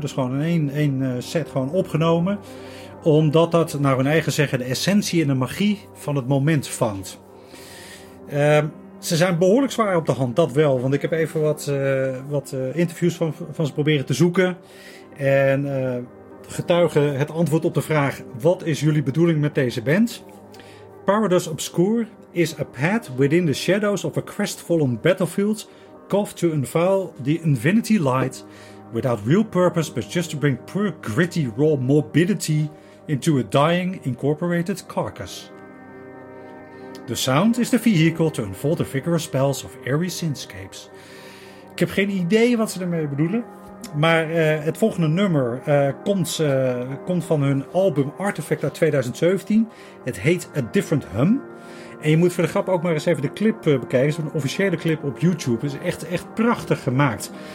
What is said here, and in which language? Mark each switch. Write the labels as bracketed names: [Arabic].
[Dutch] Dus gewoon in één set gewoon opgenomen. Omdat dat, naar hun eigen zeggen, de essentie en de magie van het moment vangt. Ze zijn behoorlijk zwaar op de hand, dat wel. Want ik heb even wat interviews van ze proberen te zoeken. En getuigen het antwoord op de vraag: wat is jullie bedoeling met deze band? [English] Paradise Obscure is a path within the shadows of a crestfallen battlefield, called to unveil the infinity light without real purpose, but just to bring pure, gritty, raw morbidity into a dying, incorporated carcass. The sound is the vehicle to unfold the vigorous spells of airy sinscapes. [Dutch] Ik heb geen idee wat ze ermee bedoelen, maar het volgende nummer komt van hun album Artifact uit 2017. Het heet A Different Hum. En je moet voor de grap ook maar eens even de clip bekijken. Het is een officiële clip op YouTube. Het is echt, echt prachtig gemaakt.